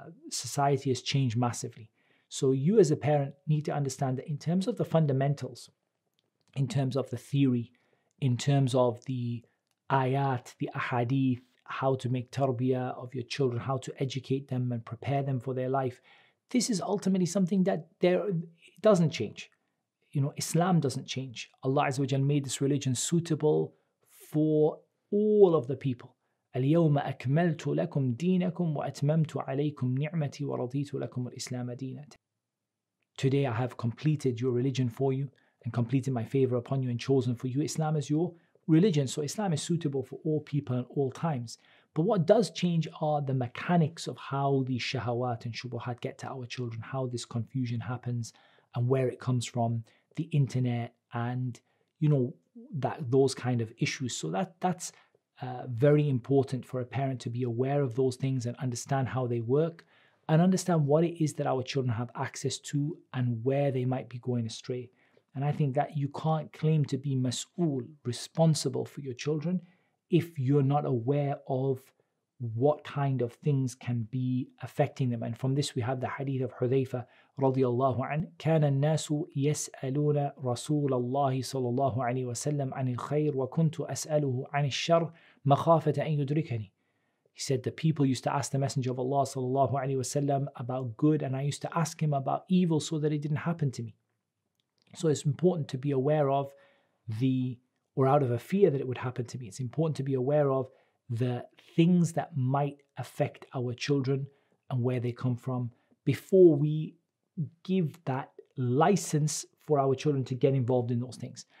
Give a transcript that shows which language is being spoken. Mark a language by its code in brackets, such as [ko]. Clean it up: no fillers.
[en] Society has changed massively. So you as a parent need to understand that in terms of the fundamentals, in terms of the theory, in terms of the ayat, the ahadith, how to make tarbiyah of your children, how to educate them and prepare them for their life, this is ultimately something that doesn't change. You know, Islam doesn't change. Allah Azza wa Jalla made this religion suitable for all of the people. [ar] اليوم أكملت لكم دينكم وأتممت عليكم نعمتي ورضيت لكم الإسلام دينا. [en] Today I have completed your religion for you and completed my favor upon you and chosen for you Islam as your religion, so Islam is suitable for all people and all times. But what does change are the mechanics of how these shahawat and shubuhat get to our children, how this confusion happens and where it comes from, the internet and, you know, that those kind of issues. So that's very important for a parent to be aware of those things and understand how they work and understand what it is that our children have access to and where they might be going astray. And I think that you can't claim to be mas'ul, responsible for your children, if you're not aware of what kind of things can be affecting them. And from this we have the hadith of Hudhayfa radiallahu anhu. [ar] كان الناس يسألون رسول الله صلى الله عليه وسلم عن الخير وكنت أسأله عن الشر مخافة أن يدركني. [en] He said the people used to ask the Messenger of Allah صلى الله عليه وسلم about good, and I used to ask him about evil so that it didn't happen to me. So it's important to be aware of the, or out of a fear that it would happen to me, it's important to be aware of the things that might affect our children and where they come from before we give that license for our children to get involved in those things.